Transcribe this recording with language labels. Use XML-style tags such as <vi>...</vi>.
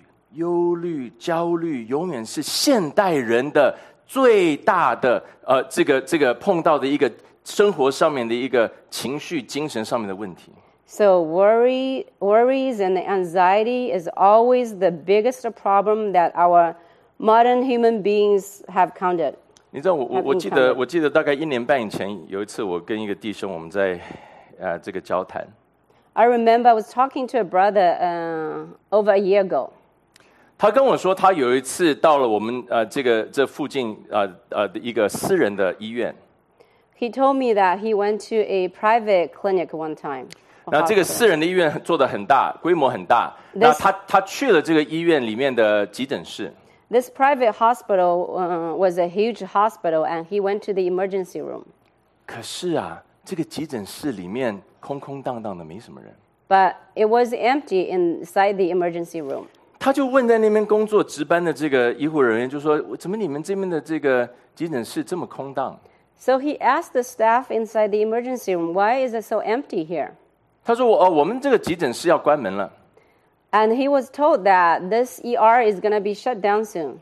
<zh>忧虑、焦虑，永远是现代人的最大的这个碰到的一个生活上面的一个情绪、精神上面的问题。</zh> <en>So worries and anxiety is always the biggest problem that our modern human beings have encountered.</en> <zh>你知道我记得大概一年半以前有一次我跟一个弟兄我们在这个交谈。</zh> <en>I remember I was talking to a brother over a year ago.</en> <zh>他跟我说他有一次到了我们这附近一个私人的医院。</zh> <en>He told me that he went to a private clinic one time.</en> <zh>那这个私人的医院做得很大，规模很大。那他去了这个医院里面的急诊室。</zh> <en>This private hospital was a huge hospital, and he went to the emergency room.</en> <zh>可是啊，这个急诊室里面空空荡荡的，没什么人。</zh> <en>But it was empty inside the emergency room.</en> <zh>他就问在那边工作值班的这个医护人员，就说：“怎么你们这边的这个急诊室这么空荡？”</zh> <en>So he asked the staff inside the emergency room, "Why is it so empty here?"</en> <zh>他说我们这个急诊室要关门了。</zh> <en>And he was told that this ER is going to be shut down soon.</en>